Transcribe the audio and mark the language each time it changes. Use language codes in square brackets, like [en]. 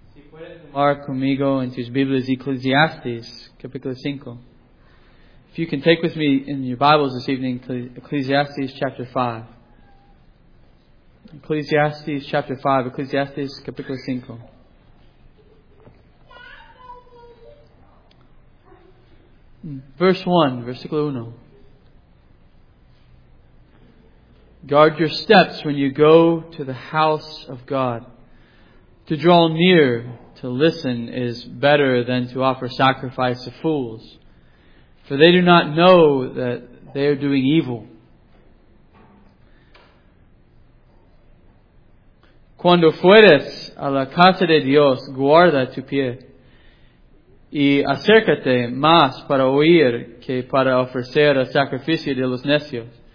[es] pueden tomar conmigo en sus Biblias Ecclesiastes, capítulo 5. [en] If you can take with me in your Bibles this evening to Ecclesiastes chapter 5. Ecclesiastes chapter 5, Ecclesiastes [es] capítulo 5. [en] Verse 1. Guard your steps when you go to the house of God. To draw near to listen is better than to offer sacrifice to fools. For they do not know that they are doing evil. [es] Cuando fueres a la casa de Dios, guarda tu pie. Y acércate más para oír que para ofrecer el sacrificio de los necios.